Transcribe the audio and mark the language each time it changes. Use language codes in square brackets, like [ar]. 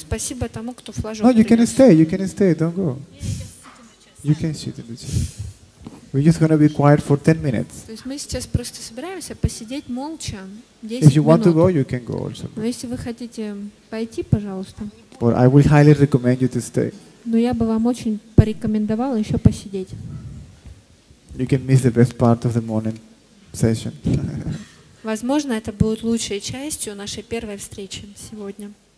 [ru] Спасибо тому, кто флажок. [en] No, you can stay. You can stay. Don't go. You can sit in the chair. We're just gonna be quiet for 10 minutes. [ru] То есть мы сейчас просто собираемся посидеть молча 10 минут. [en] If you want to go, you can go also. [ru] Но если вы хотите пойти, пожалуйста. [en] Or I will highly recommend you to stay. [ru] Но я бы вам очень порекомендовала еще посидеть. [en] You can miss the best part of the morning session. [ru] Возможно, это будет лучшей частью нашей первой встречи сегодня.